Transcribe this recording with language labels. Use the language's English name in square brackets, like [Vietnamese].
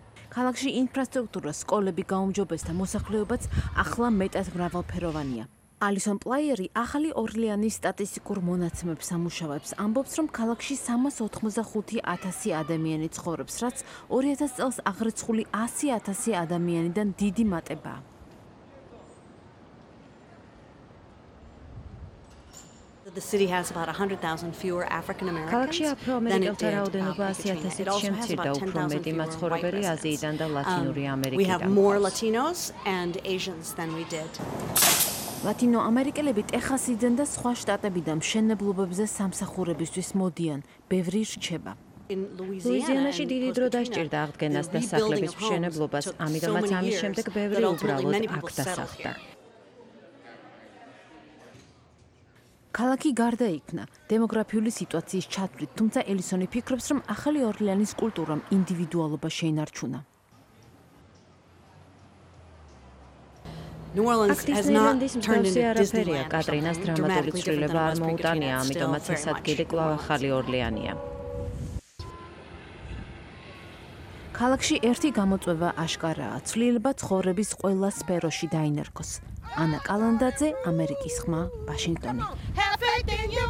[Georgian] ქალაქში ინფრასტრუქტურა, სკოლები გაუმჯობესდა, მოსახლეობაც ახლა მეტად მრავალფეროვანია. ალისონ პლაიერი ახალი ორლეანის სტატისტიკურ მონაცემებს ამუშავებს. ამბობს, რომ ქალაქში 385,000 ადამიანი ცხოვრობს, რაც 2000 წელს აღრიცხული 100,000 ადამიანიდან დიდი მატებაა. [English] The city has about 100,000 fewer African Americans than it did between 1980 and 2000. It also has about 10,000 fewer white residents. We have more Latinos and Asians than we did. [Georgian] ლატინო ამერიკელები ტეხასიდან და სხვა შტატებიდან მშენებლობებზე სამსახურებისთვის მოდიან, ბევრი რჩება. ლუიზიანაში დიდი დრო დასჭირდა აღდგენას და სახლების მშენებლობას, ამიტომაც ამის შემდეგ ბევრი უბრალოდ აქ დასახლდა. ქალაქი გარდაიქმნა დემოგრაფიული სიტუაციის ჩათვლით, თუმცა ელისონი ფიქრობს, რომ ახალი ორლეანის კულტურამ ინდივიდუალობა შეინარჩუნა. [English] New Orleans has not turned into Disneyland. Katrina's dramatic [Georgian] ცვლილება არ მოუტანია, ამიტომაც ეს ადგილი კვლავ ახალი ორლეანია. ქალაქში ერთი გამოწვევა აშკარაა, ცვლილება ცხოვრების ყველა სფეროში დაინერგოს. ანა კალანდაძე, ამერიკის ხმა, ვაშინგტონი.